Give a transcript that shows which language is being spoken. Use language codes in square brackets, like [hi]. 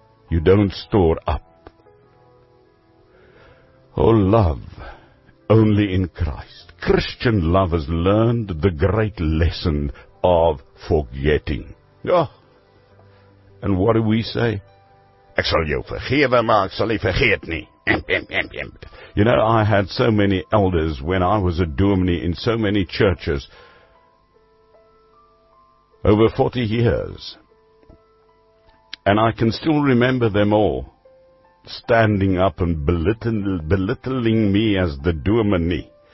[en] You don't store up. Oh, love only in Christ. Christian love has learned the great lesson of forgetting. Oh, and what do we say? [af] Ek sal jou vergewe, maar ek sal nie vergeet nie. [en] You know, I had so many elders when I was a dominee in so many churches. Over 40 years. And I can still remember them all standing up and belittling me as the dominee.